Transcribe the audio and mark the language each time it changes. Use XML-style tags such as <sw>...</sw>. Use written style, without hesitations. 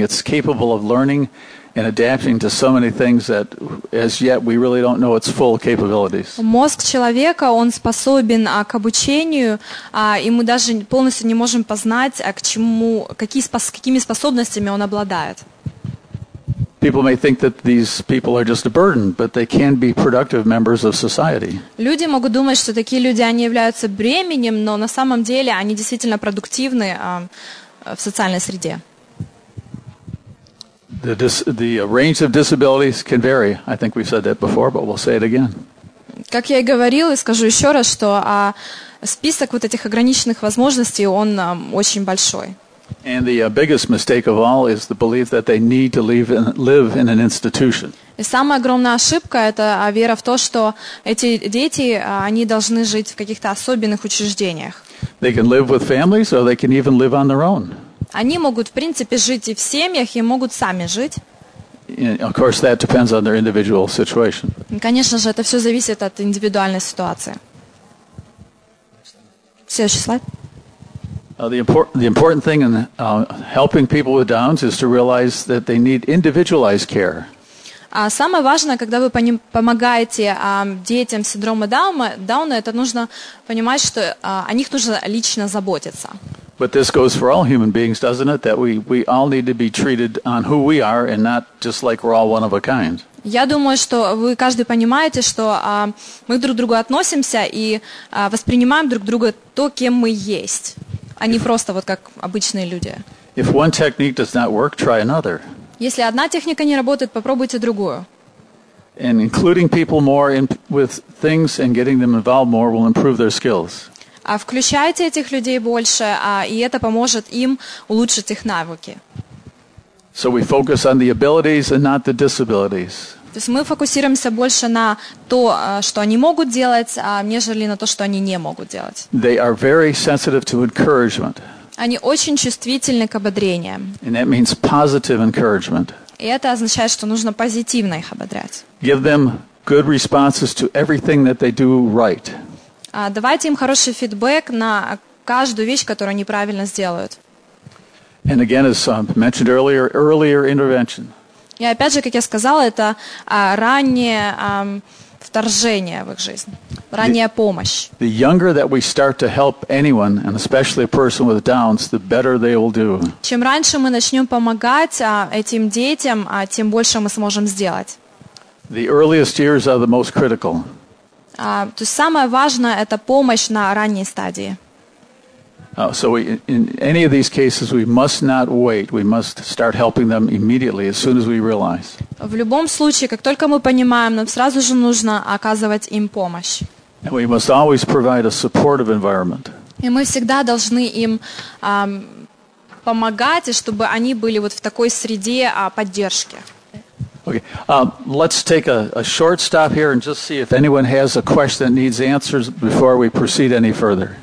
<en>It's capable of learning and adapting to so many things that as yet we really don't know its full capabilities.</en> <ru>Мозг человека, он способен к обучению, и мы даже полностью не можем познать, к чему, какими способностями он обладает.</ru> <en>People may think that these people are just a burden, but they can be productive members of society.</en> <ru>Люди могут думать, что такие люди они являются бременем, но на самом деле они действительно продуктивны в социальной среде.</ru> <en>The range of disabilities can vary. I think we've said that before, but we'll say it again.</en> <ru>Как я и говорил, и скажу еще раз, что список вот этих ограниченных возможностей, он очень большой.</ru> <en>And the biggest mistake of all is the belief that they need to live in an institution.</en> <ru>И самая огромная ошибка – это вера в то, что эти дети, они должны жить в каких-то особенных учреждениях.</ru> <en>They can live with families, or they can even live on their own.</en> <ru>Они могут, в принципе, жить и в семьях, и могут сами жить.</ru> <en>And of course, that depends on their individual situation.</en> <ru>Конечно же, это все зависит от индивидуальной ситуации. Следующий слайд.</ru> <en>The important thing in helping people with Downs is to realize that they need individualized care.</en> <ru>Самое важное, когда вы помогаете детям с синдромом Дауна, это нужно понимать, что о них нужно лично заботиться.</ru> <en>But this goes for all human beings, doesn't it? That we all need to be treated on who we are and not just like we're all one of a kind.</en> <ru>Я думаю, что вы каждый понимаете, что мы друг к другу относимся и воспринимаем друг друга то, кем мы есть. Они просто вот как обычные люди.</ru> <en>If one technique does not work, try another.</en> <ru>Если одна техника не работает, попробуйте другую.</ru> <en>And including people more in with things and getting them involved more will improve their skills.</en> <ru>А включайте этих людей больше, и это поможет им улучшить их навыки.</ru> <en>So we focus on the abilities and not the disabilities.</en> <ru>То есть мы фокусируемся больше на то, что они могут делать, нежели на то, что они не могут делать.</ru> <en>They are very sensitive to encouragement.</en> <ru>Они очень чувствительны к ободрениям.</ru> <en>And that means positive encouragement.</en> <ru>И это означает, что нужно позитивно их ободрять.</ru> <en>Give them good responses to everything that they do right.</en> <ru>Давайте им хороший фидбэк на каждую вещь, которую они правильно сделают.</ru> <en>And again, as mentioned earlier intervention.</en> <ru>И опять же, как я сказала, это раннее вторжение в их жизнь, ранняя помощь.</ru> <en>The younger that we start to help anyone, and especially a person with Downs, the better they will do.</en> <ru>Чем раньше мы начнем помогать этим детям, тем больше мы сможем сделать.</ru> <en>The earliest years are the most critical.</en> <ru>То есть самое важное – это помощь на ранней стадии.</ru> <en>So we, in any of these cases, we must not wait. We must start helping them immediately, as soon as we realize.</en> <ru>В любом случае, как только мы понимаем, нам сразу же нужно оказывать им помощь.</ru> <en>And we must always provide a supportive environment.</en> <ru>И мы всегда должны им помогать, и чтобы они были вот в такой среде поддержки.</ru> <en>Okay, let's take a short stop here and just see if anyone has a question that needs answers before we proceed any further.</en>